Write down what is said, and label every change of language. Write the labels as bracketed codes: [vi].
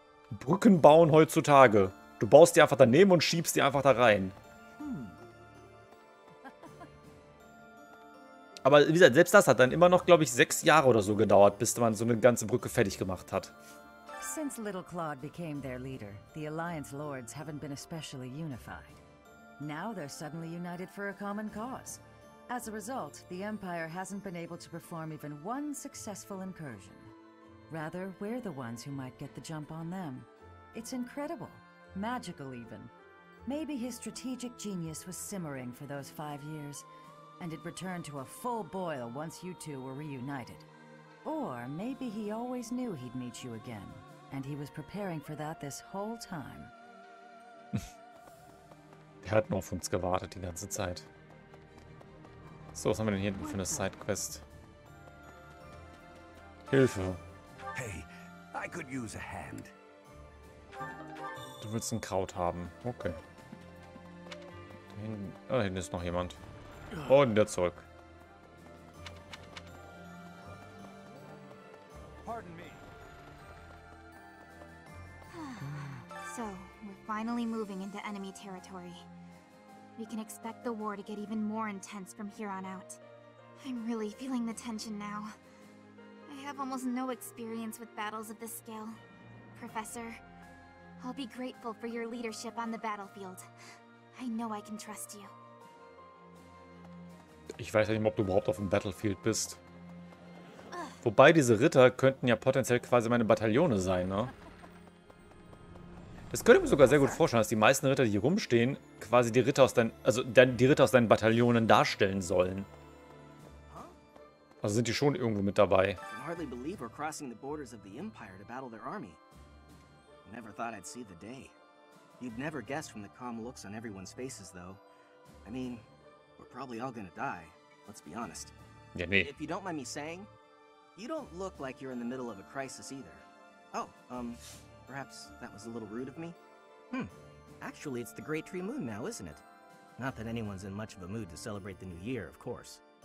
[de] Brücken bauen heutzutage. Du baust die einfach daneben und schiebst die einfach da rein. Aber wie gesagt, selbst das hat dann immer noch, glaube ich, 6 Jahre oder so gedauert, bis man so eine ganze Brücke fertig gemacht hat. [en] Since Little Claude became their leader, the Alliance Lords haven't been especially unified. Now they're suddenly united for a common cause. As a result, the Empire hasn't been able to perform even one successful incursion. Rather, we're the ones who might get the jump on them. It's incredible. Magical, even. Maybe his strategic genius was simmering for those 5 years, and it returned to a full boil once you two were reunited. Or maybe he always knew he'd meet you again, and he was preparing for that this whole time. [de] Er hat nur auf uns gewartet die ganze Zeit. So, was haben wir denn hier für eine Sidequest? Hilfe. [en] Hey, I could use a hand. [de] Du willst ein Kraut haben. Okay. Da hinten ist noch jemand. Und der zurück. [en] finally moving into enemy territory. We can expect the war to get even more intense from here on out. I'm really feeling the tension now. I have almost no experience with battles of this scale. Professor, I'll be grateful for your leadership on the battlefield. I know I can trust you. [de] Ich weiß nicht, ob du überhaupt auf dem Battlefield bist. Wobei, diese Ritter könnten ja potenziell quasi meine Bataillone sein, ne? Das könnte mir sogar sehr gut vorstellen, dass die meisten Ritter, die hier rumstehen, quasi die Ritter aus deinen, also die Ritter aus deinen Bataillonen darstellen sollen. Also sind die schon irgendwo mit dabei. Ich kann nicht glauben, wir sind die Grenzen des Imperiums, um ihre Armee zu kämpfen. Ich dachte nie, ich den Tag sehen würde. Du hättest nie von den kalmen Blicken auf jeden Fall gewusst, aber ich meine, wir werden wahrscheinlich alle sterben. [en] Let's be honest. [de] Ja, nee. [en] If you don't mind me saying, you don't look like you're in the middle of a crisis either. Oh, perhaps that was a little rude of me? Hm. Actually, it's the Great Tree Moon now, isn't it? Not that anyone's in much of a mood to celebrate the new year, of course.